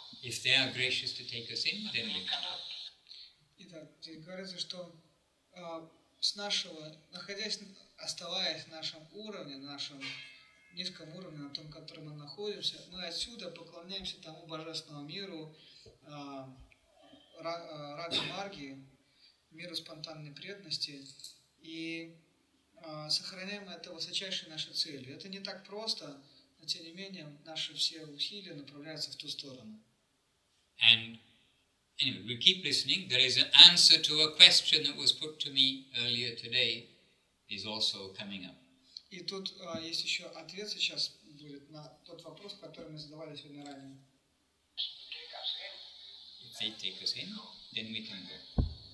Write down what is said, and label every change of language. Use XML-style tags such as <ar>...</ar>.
<en>If they are gracious to take us in, then we cannot.</en> <ru>Итак, говорится, что с нашего, находясь, оставаясь в нашем уровне, нашем низком уровне, на том, в котором мы находимся, мы отсюда поклоняемся тому божественному миру, рага-марги, миру спонтанной преданности, и сохраняем это высочайшей нашей целью. Это не так просто, но тем не менее наши все усилия направляются в ту сторону.</ru> <en>And anyway, we keep listening. There is an answer to a question that was put to me earlier today is also coming up.</en> <ru>И тут есть еще ответ сейчас будет на тот вопрос, который мы задавали сегодня ранее.</ru> <en>If they take us in, then we can go.</en>